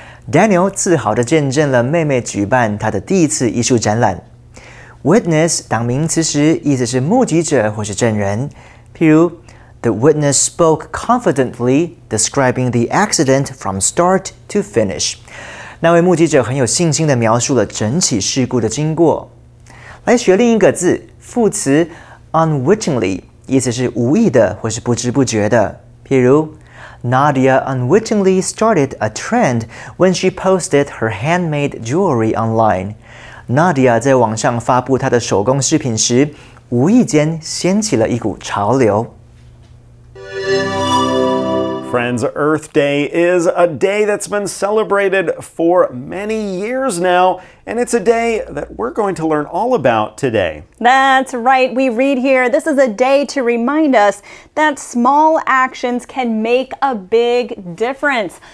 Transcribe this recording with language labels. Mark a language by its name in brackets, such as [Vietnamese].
[Chinese] Daniel 自豪地见证了妹妹举办她的第一次艺术展览。 Witness 当名词时，意思是目击者或是证人。譬如 [English] ，The witness spoke confidently, describing the accident from start to finish. [Chinese] 那位目击者很有信心地描述了整起事故的经过。来学另一个字，副词 unwittingly， 意思是无意的或是不知不觉的。譬如 [English] ，Nadia unwittingly started a trend when she posted her handmade jewelry online。 [Chinese] Nadia 在网上发布她的手工饰品时，无意间掀起了一股潮流。 [English] Friends, Earth Day is a day that's been celebrated for many years now, and it's a day that we're going to learn all about today. That's right. We read here, this is a day to remind us that small actions can make a big difference.